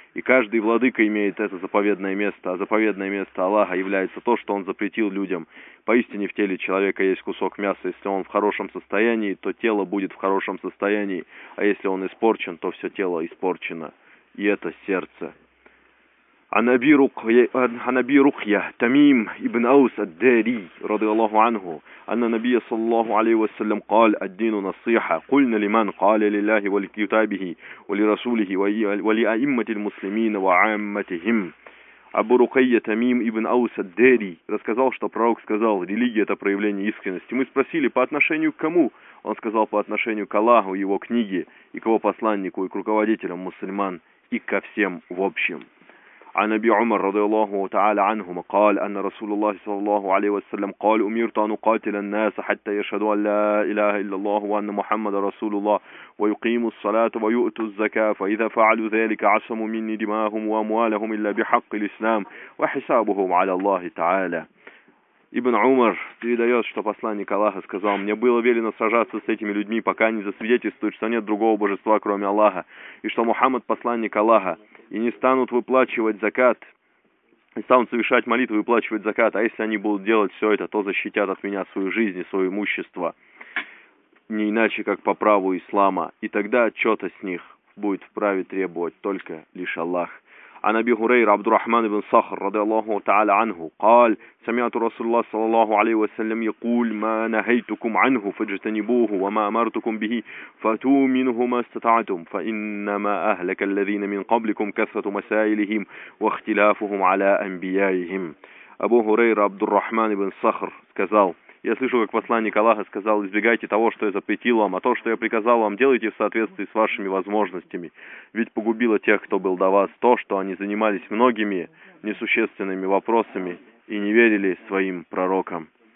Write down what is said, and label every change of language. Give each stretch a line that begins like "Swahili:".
Russian: И каждый владыка имеет это заповедное место, а заповедное место Аллаха является то, что он запретил людям. Поистине в теле человека есть кусок мяса, если он в хорошем состоянии, то тело будет в хорошем состоянии, а если он испорчен, то все тело испорчено, и это сердце.
Arabic: عن أبي رقية تميم ابن أوس الداري رضي الله عنه أن النبي صلى الله عليه وسلم قال: الدين نصيحة، قلنا لمن؟ قال: لله ولكتابه ولرسوله ولأئمة المسلمين وعامتهم.
Russian: Абу Рукайя Тамим ибн Аус ад-Дари рассказал, что пророк сказал: религия — это проявление искренности. Мы спросили: по отношению к кому? Он сказал: по отношению к Аллаху, его книге, и к его посланнику, и к руководителям мусульман, и ко всем в общем.
Arabic: عن أبي عمر رضي الله تعالى عنهما قال: أن رسول الله صلى الله عليه وسلم قال: أمرت أن أقاتل الناس حتى يشهدوا أن لا إله إلا الله وأن محمد رسول الله، ويقيموا الصلاة ويؤتوا الزكاة، فإذا فعلوا ذلك عصموا مني دماءهم وأموالهم إلا بحق الإسلام وحسابهم على الله تعالى.
Russian: Ибн Умар передает, что посланник Аллаха сказал: «Мне было велено сражаться с этими людьми, пока они засвидетельствуют, что нет другого божества, кроме Аллаха, и что Мухаммад – посланник Аллаха, и не станут выплачивать закат, и станут совершать молитвы и выплачивать закат, а если они будут делать все это, то защитят от меня свою жизнь и свое имущество, не иначе, как по праву ислама, и тогда отчета с них будет вправе требовать только лишь Аллах».
Arabic: عن أبي هريرة عبد الرحمن بن صخر رضي الله تعالى عنه قال: سمعت رسول الله صلى الله عليه وسلم يقول: ما نهيتكم عنه فاجتنبوه، وما أمرتكم به فأتوا منه ما استطعتم، فإنما أهلك الذين من قبلكم كثرة مسائلهم واختلافهم على أنبيائهم.
Russian: أبو هريرة عبد الرحمن بن صخر сказал: Я слышал, как посланник Аллаха сказал: «Избегайте того, что я запретил вам, а то, что я приказал вам, делайте в соответствии с вашими возможностями. Ведь погубило тех, кто был до вас, то, что они занимались многими несущественными вопросами и не верили своим пророкам».